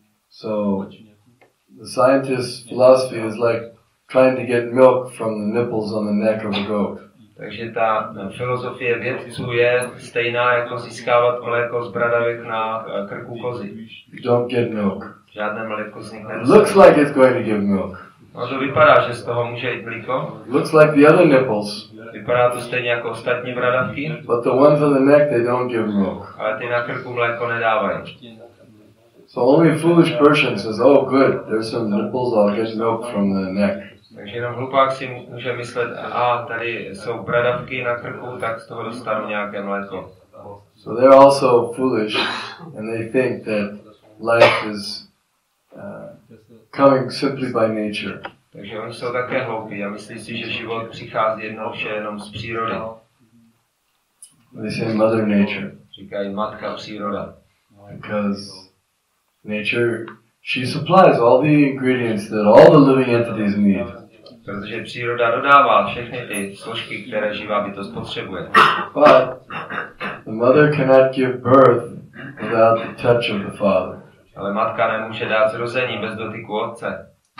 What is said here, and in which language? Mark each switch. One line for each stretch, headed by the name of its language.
English: So the scientist's philosophy is like trying to get milk from the nipples on the neck of a goat.
Czech: Takže ta filozofie vědců je stejná jako získávat mléko z bradavek na krku kozy.
English: Don't get milk.
Czech: Žádné mléko z nich nedostane.
English: Looks like it's going to give milk.
Czech: No to vypadá, že z toho může jít mléko.
English: Looks like the other nipples.
Czech: Vypadá to stejně jako ostatní bradavky.
English: But the ones on the neck, they don't give milk.
Czech: Ale ty na krku mléko nedávají.
English: So only a foolish person says, oh good, there's some nipples, I'll get milk from the neck.
Czech: Takže jenom hlupák si může myslet, a tady jsou bradavky na krku, tak z toho dostanu nějaké mléko.
English: So they're also foolish and they think that life is coming simply by nature.
Czech: Takže oni jsou také hloupí a myslí si, že život přichází jednou vše jenom z přírody.
English: They say mother nature.
Czech: Říkají matka příroda.
English: Because nature, she supplies all the ingredients that all the living entities need.
Czech: Protože příroda dodává všechny ty složky, které živá bytost potřebuje.
English: But the mother cannot give birth without the touch of the father.
Czech: Ale matka nemůže dát zrození bez dotyku otce.